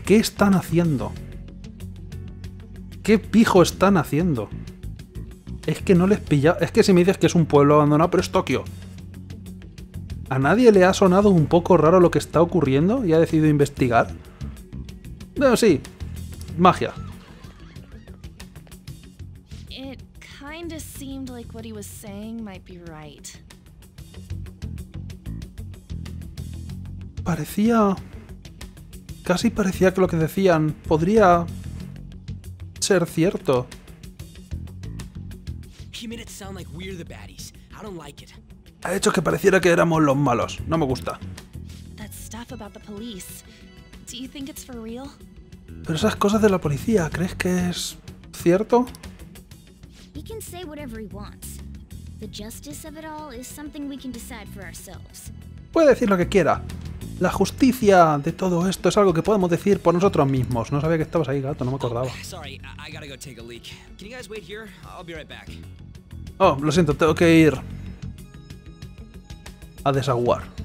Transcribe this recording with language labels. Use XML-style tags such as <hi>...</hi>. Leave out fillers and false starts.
<es>¿Qué están haciendo? ¿Qué pijo están haciendo? Es que no les pilla. Es que si me dices que es un pueblo abandonado, pero es Tokio. ¿A nadie le ha sonado un poco raro lo que está ocurriendo y ha decidido investigar? No, sí. Magia.</es> <en>It kinda seemed like what he was saying might be right.</en> <es>Parecía... Casi parecía que lo que decían podría... ser cierto.</es> <en>He made it sound like we're the baddies. I don't like it.</en> <es>Ha hecho que pareciera que éramos los malos. No me gusta.</es> <en>That stuff about the police. Do you think it's for real?</en> <es>Pero esas cosas de la policía, ¿crees que es cierto?</es> <en>He can say whatever he wants. The justice of it all is something we can decide for ourselves.</en> <es>Puede decir lo que quiera. La justicia de todo esto es algo que podemos decir por nosotros mismos. No sabía que estabas ahí, gato, no me acordaba.</es> <en>Oh, sorry, I gotta go take a leak. Can you guys wait here? I'll be right back.</en> <es>Oh, lo siento, tengo que ir a desaguar.</es>